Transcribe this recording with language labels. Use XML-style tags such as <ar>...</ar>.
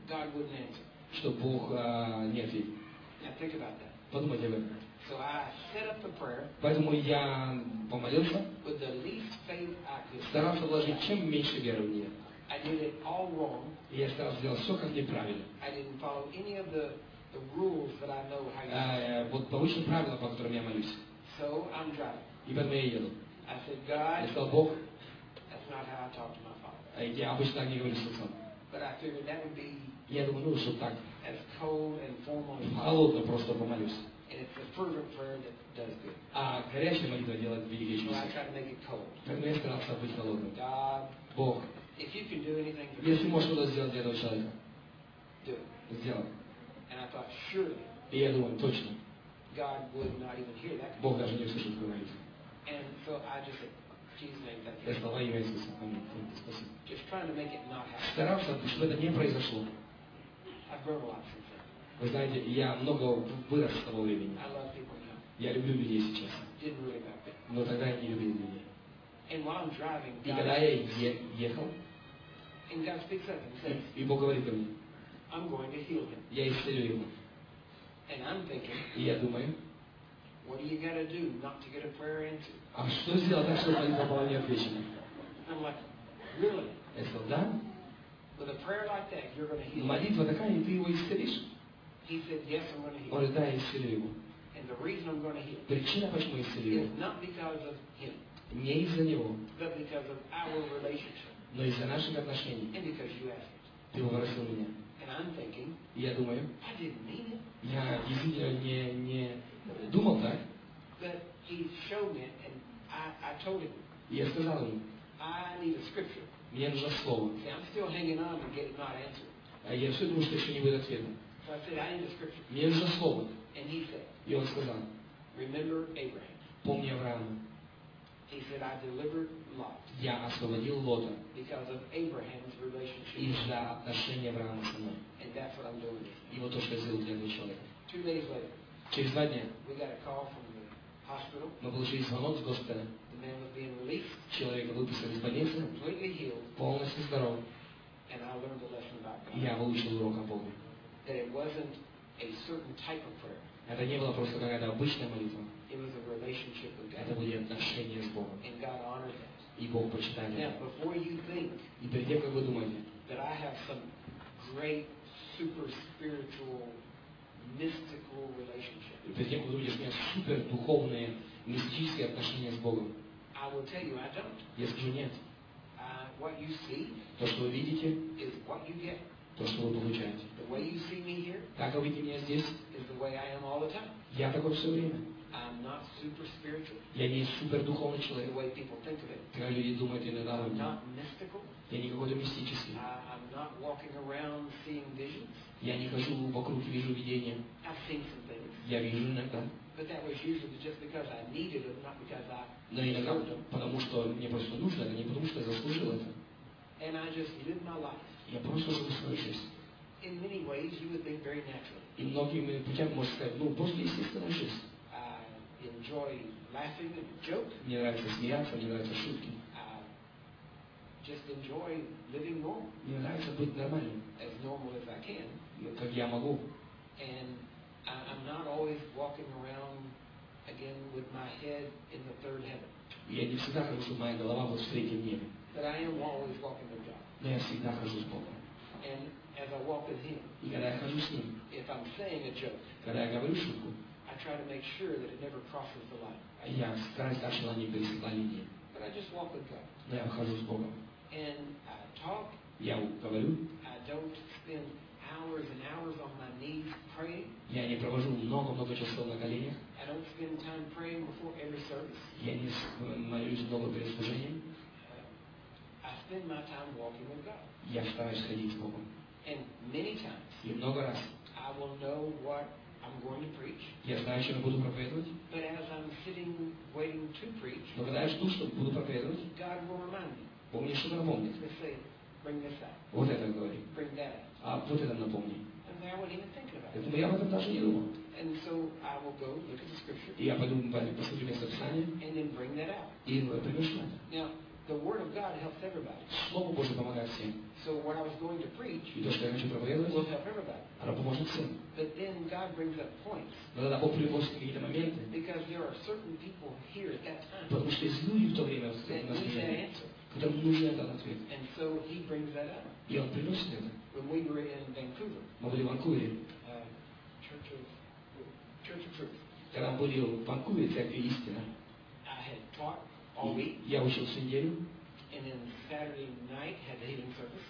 <en>God wouldn't answer.</en> <ru>Что Бог не ответит.</ru> <en>Now think about that.</en> <ru>Подумайте об этом.</ru> <en>So I set up the prayer.</en> <ru>Поэтому я помолился.</ru> <en>With the least faith I could.</en> <ru>Старался вложить чем меньше веры в нее.</ru> <en>I did it all wrong.</en> <ru>И я старался сделать все как неправильно.</ru> <en>I didn't follow any of the rules that I know how.</en> <ru>Вот по высшим правилам, по которым я молюсь.</ru> <en>So I'm driving.</en> <ru>И поэтому я еду.</ru> <en>I said, "God."</en> <ru>Я сказал, Бог.</ru> <en>That's not how I talk to my father.</en> <ru>Я обычно так не говорю с отцом.</ru> <en>But I figured that would be.</en> <ru>Я думаю, ну что так.</ru> <en>As cold and formal.</en> <ru>Холодно просто помолюсь.</ru> <en>And it's a fervent prayer that does good.</en> <ru>А горячая молитва делает великие чудеса.</ru> <en>So I tried to make it cold.</en> <ru>Поэтому я старался быть холодным.</ru> <en>God.</en> <ru>Бог.</ru> <en>If you can do anything for me,</en> <ru>если можешь что-то сделать для этого человека,</ru> <en>do it.</en> <ru>Сделай.</ru> <en>And I thought, surely.</en> <ru>И я думаю, точно.</ru> <en>God would not even hear that.</en> <ru>Бог даже не услышит говорить.</ru> <en>And so I just said, "Jesus, name that."</en> <ru>Я сказал, имя Иисуса, аминь, спасибо.</ru> <en>Just trying to make it not happen.</en> <ru>Старался, чтобы это не произошло.</ru> <en>I've grown a lot since then.</en> <ru>Вы знаете, я много вырос с того времени.</ru> <en>I love people now.</en> <ru>Я люблю людей сейчас.</ru> <en>Didn't really back then.</en> <ru>Но тогда я не любил людей.</ru> <en>And while I'm driving,</en> <ru>и когда я ехал,</ru> <en>and God speaks up and says,</en> <ru>и Бог говорит ко мне,</ru> <en>I'm going to heal him.</en> <ru>Я исцелю его.</ru> <en>And I'm thinking,</en> <ru>и я думаю,</ru> <en>what do you got to do not to get a prayer answer?</en> <ru>А что сделать так, чтобы молитва была не отвечена?</ru> <en>I'm like, really?</en> <ru>Я сказал, да.</ru> <en>With a prayer like that, you're going to heal.</en> <ru>Молитва такая, и ты его исцелишь?</ru> <en>He said, yes, I'm going to heal.</en> <ru>Он говорит, да, я исцелю его.</ru> <en>And the reason I'm going to heal.</en> <ru>Причина, почему я исцелю его.</ru> <en>Not because of him.</en> <ru>Не из-за него,</ru> <en>but because of our relationship.</en> <ru>Но из-за наших отношений.</ru> <en>And because you asked it.</en> <ru>Ты попросил меня.</ru> <en>And I'm thinking,</en> <ru>и я думаю,</ru> <en>I didn't mean it.</en> <ru>Я действительно не думал так.</ru> <en>But he showed me and I told him,</en> <ru>я сказал ему,</ru> <en>I need a scripture.</en> <ru>Мне нужно слово.</ru> <en>See, I'm still hanging on and getting not answered.</en> <ru>А я все думаю, что еще не будет ответа.</ru> <en>So I said, I need a scripture.</en> <ru>Мне нужно слово.</ru> <en>And he said,</en> <ru>и он сказал,</ru> <en>remember Abraham.</en> <ru>Помни Авраама.</ru> <en>He said, "I delivered Lot."</en> <ru>Я освободил Лота.</ru> <en>Because of Abraham's relationship.</en> <ru>Из-за отношения Авраама со мной.</ru> <en>And that's what I'm doing.</en> <ru>И вот то, что я сделал для этого человека.</ru> <en>2 days later.</en> <ru>Через 2 дня.</ru> <en>We got a call from the hospital.</en> <ru>Мы получили звонок с госпиталя.</ru> <en>The man was being released.</en> <ru>Человека выписали из больницы.</ru> <en>Completely healed.</en> <ru>Полностью здоров.</ru> <en>And I learned a lesson about God.</en> <ru>Я выучил урок о Боге.</ru> <en>That it wasn't a certain type of prayer.</en> <ru>Это не была просто какая-то обычная молитва.</ru> <en>It was a relationship with God.</en> <ru>Это были отношения с Богом.</ru> <en>And God honored that.</en> <ru>И Бог почитает это.</ru> <en>Now, before you think,</en> <ru>и перед тем, как вы думаете,</ru> <en>that I have some great super spiritual mystical relationship.</en> <ru>И перед тем, как ты будешь иметь супер духовные, мистические отношения с Богом.</ru> <en>I will tell you, I don't.</en> <ru>Я скажу нет.</ru> <en>What you see,</en> <ru>то, что вы видите,</ru> <en>is what you get.</en> <ru>То, что вы получаете.</ru> <en>The way you see me here,</en> <ru>так вы видите меня здесь,</ru> <en>is the way I am all the time.</en> <ru>Я такой все время.</ru> <en>I'm not super spiritual.</en> <ru>Я не супердуховный человек.</ru> <en>The way people think of it.</en> <ru>Как люди думают иногда обо мне.</ru> <en>I'm not mystical.</en> <ru>Я не какой-то мистический.</ru> <en>I'm not walking around seeing visions.</en> <ru>Я не хожу вокруг и вижу видения.</ru> <en>I've seen some things.</en> <ru>Я вижу иногда.</ru> <en>But that was usually just because I needed it, not because I.</en> <ru>Но иногда потому что мне просто нужно, а не потому что я заслужил это.</ru> <en>And I just lived my life.</en> <ru>Я просто жил свою жизнь.</ru> <en>In many ways, you would think very natural.</en> <ru>И многими путями можно сказать, ну просто естественная жизнь.</ru> <en>Enjoy laughing and joke.</en> <ru>Мне нравится смеяться, мне нравятся шутки.</ru> <en>Just enjoy living normal.</en> <ru>Мне нравится быть нормальным.</ru> <en>As normal as I can.</en> <ru>Как я могу.</ru> <en>And I'm not always walking around again with my head in the third heaven.</en> <ru>Я не всегда хожу, чтобы моя голова была в третьем небе.</ru> <en>But I am always walking with God.</en> <ru>Но я всегда хожу с Богом.</ru> <en>And as I walk with Him.</en> <ru>И когда я хожу с Ним.</ru> <en>If I'm saying a joke.</en> <ru>Когда я говорю шутку.</ru> <en>I try to make sure that it never crosses the line.</en> <ru>Я стараюсь, так, чтобы она не пересекла линии.</ru> <en>But I just walk with God.</en> <ru>Но я хожу с Богом.</ru> <en>And I talk.</en> <ru>Я говорю.</ru> <en>I don't spend hours and hours on my knees praying.</en> <ru>Я не провожу много часов на коленях.</ru> <en>I don't spend time praying before every service.</en> <ru>Я не молюсь много перед служением.</ru> <en>I spend my time walking with God.</en> <ru>Я стараюсь ходить с Богом.</ru> <en>And many times.</en> <ru>И много раз.</ru> <en>I will know what I'm going to preach.</en> <ru>Я знаю, что я буду проповедовать.</ru> <en>But as I'm sitting waiting to preach,</en> <ru>но когда я жду, чтобы буду проповедовать,</ru> <en>God will remind me.</en> <ru>Он мне что-то напомнит.</ru> <en>He'll say, bring this up.</en> <ru>Вот это говори.</ru> <en>Bring that up.</en> <ru>А вот это напомни.</ru> <en>And I won't even think about it.</en> <ru>Поэтому я об этом даже не думал.</ru> <en>And so I will go look at the scripture.</en> <ru>И я пойду посмотрю место Писания.</ru> <en>And then bring that up.</en> <ru>И принесу это.</ru> <en>Now, the word of God helps everybody.</en> <ru>Слово Божье помогает всем.</ru> <en>So what I was going to preach,</en> <ru>и то, что я хочу проповедовать,</ru> <en>will help everybody.</en> <ru>Оно поможет всем.</ru> <en>But then God brings up points.</en> <ru>Но тогда Бог приводит какие-то моменты.</ru> <en>Because there are certain people here at that time.</en> <ru>Потому что есть люди в то время,</ru> <en>that need an answer.</en> <ru>Которым нужен этот ответ.</ru> <en>And so He brings that up.</en> <ru>И Он приносит это.</ru> <en>When we were in Vancouver.</en> <ru>Мы были в Ванкувере.</ru> <en>Church of Truth.</en> <ru>Когда мы были в Ванкувере, церковь истина.</ru> <en>I had taught all week.</en> <ru>Я учил всю неделю.</ru> <en>And then Saturday night had the healing service.</en>